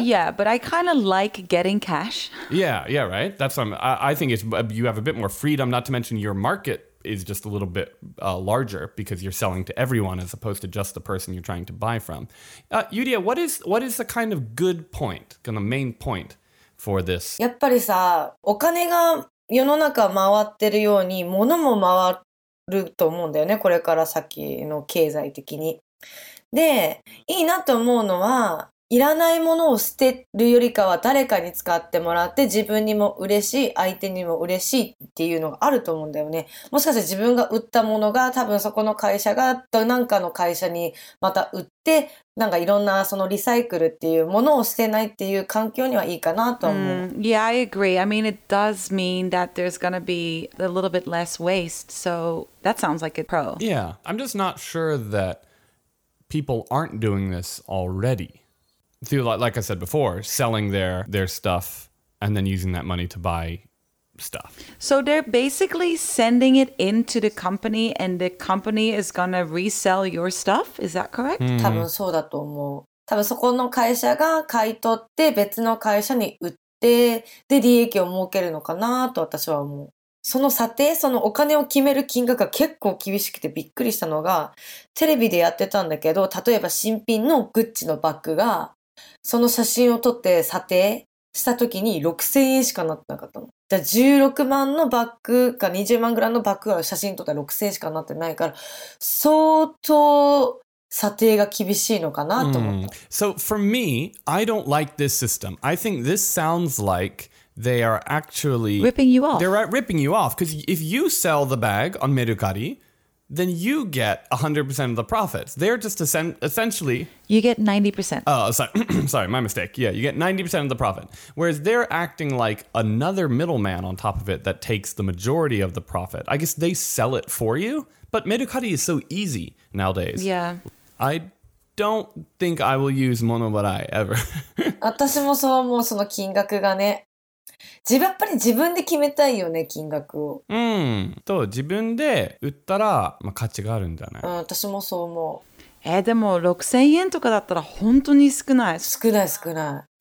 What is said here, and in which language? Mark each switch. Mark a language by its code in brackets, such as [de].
[en] Yeah, but I kind of like getting cash. Yeah, right? That's what I think it's, you have a bit more freedom, not to mention your market is just a little bit larger because you're selling to everyone as opposed to just the person you're trying to buy from. Yuria, what is the kind of good point, kind of main point for this? [ja] やっぱりさ、お金が世の中回ってるように物も回ってると思うんだよね、これから先の経済的に。で、いいなと思うのは、いらないものを捨てるよりかは誰かに使ってもらって自分にも嬉しい、相手にも嬉しいっていうのがあると思うんだよね。もしかして自分が売ったものが多分そこの会社がなんかの会社にまた売って、なんかいろんなそのリサイクルっていうものを捨てないっていう環境にはいいかなと思う。 [en] Yeah, I agree. I mean, it does mean that there's gonna be a little bit less waste. So that sounds like a pro. Yeah, I'm just not sure that people aren't doing this already. Through, like I said before, selling their stuff and then using that money to buy stuff. So they're basically sending it into the company and the company is going to resell your stuff? Is that correct? [ja] Mm-hmm. 多分そうだと思う。多分そこの会社が買い取って別の会社に売ってで利益を儲けるのかなと私は思う。その査定、そのお金を決める金額が結構厳しくてびっくりしたのがテレビでやってたんだけど、例えば新品のグッチのバッグがその写真を撮って査定した時に6000円しかなってなかったの。じゃあ16万のバッグか20万ぐらいのバッグが写真撮ったら6000円しかなってないから相当査定が厳しいのかなと思った。 [en] So for me, I don't like this system. I think this sounds like they are actually ripping you off. They're ripping you off because if you sell the bag on Mercari, then you get 100% of the profits. They're just essentially... You get 90%. Oh, sorry. Sorry, my mistake. Yeah, you get 90% of the profit. Whereas they're acting like another middleman on top of it that takes the majority of the profit. I guess they sell it for you. But Mercari is so easy nowadays. Yeah. I don't think I will use Monobarai ever. [ja] 私もそう思う、その金額がね。自分やっぱり自分で決めたいよね金額を。うん。と自分で売ったら、まあ、価値があるんじゃない。うん、私もそう思う。でも6000円とかだったら本当に少ない。少ない少ない。